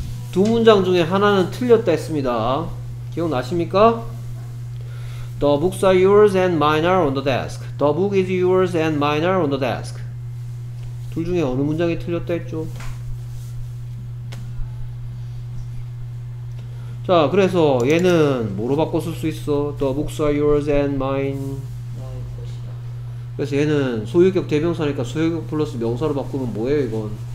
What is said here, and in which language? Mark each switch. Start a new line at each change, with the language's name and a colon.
Korean: 두 문장 중에 하나는 틀렸다 했습니다. 기억나십니까?
English: The books are yours and mine are on the desk. The book is yours and mine are on the desk.
Korean: 둘 중에 어느 문장이 틀렸다 했죠? 자, 그래서 얘는 뭐로 바꿨을 수 있어?
English: The books are yours and mine.
Korean: 그래서 얘는 소유격 대명사니까 소유격 플러스 명사로 바꾸면 뭐예요 이건?